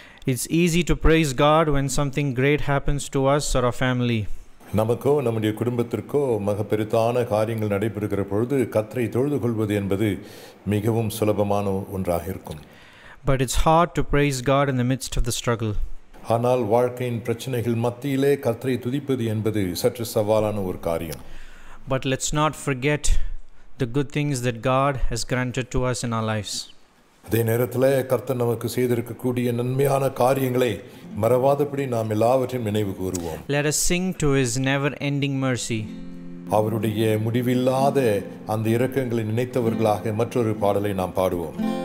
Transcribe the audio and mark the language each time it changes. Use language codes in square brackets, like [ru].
[en] It's easy to praise God when something great happens to us or our family. [ta] நமக்கோ நம்முடைய குடும்பத்திற்கோ மகப்பெருத்தான காரியங்கள் நடைபெறுகிற பொழுது கர்த்தரை தொழுது கொள்வது என்பது மிகவும் சுலபமான ஒன்றாக இருக்கும். [en] But it's hard to praise God in the midst of the struggle. [ta] ஆனால் வாழ்க்கையின் பிரச்சனைகள் மத்தியிலே கர்த்தரை துதிப்பது என்பது சற்று சவாலான ஒரு காரியம். [en] But let's not forget the good things that God has granted to us in our lives. [ta] அதே நேரத்தில் கர்த்தர் நமக்கு செய்திருக்கக்கூடிய நன்மையான காரியங்களை மறவாதபடி நாம் எல்லாவற்றையும் நினைவு கூறுவோம். [en] Let us sing to his never ending mercy. [ta] அவருடைய முடிவில்லாத அந்த இரக்கங்களை நினைத்தவர்களாக மற்றொரு பாடலை நாம் பாடுவோம்.